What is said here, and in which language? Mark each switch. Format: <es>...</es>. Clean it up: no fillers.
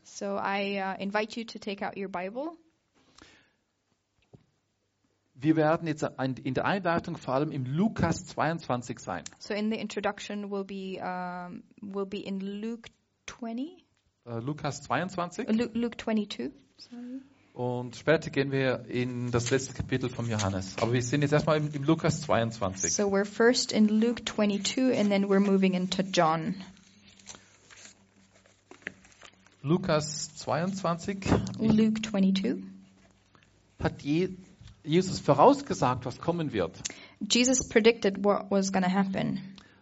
<en>So I invite you to take out your Bible.</en> <de>Wir werden jetzt in der Einleitung vor allem im Lukas 22 sein.</de> <en>So in the introduction we'll be in Luke 20.</en> <de>Lukas 22.</de> <en>Luke 22. Sorry.</en> <de>Und später gehen wir in das letzte Kapitel vom Johannes. Aber wir sind jetzt erstmal im Lukas 22.</de> <en>So we're first in Luke 22 and then we're moving into John.</en> <de>Lukas 22.</de> <en>Luke 22.</en> <de>Hat Jesus vorausgesagt, was kommen wird?</de> <en>Jesus predicted what was going to happen.</en>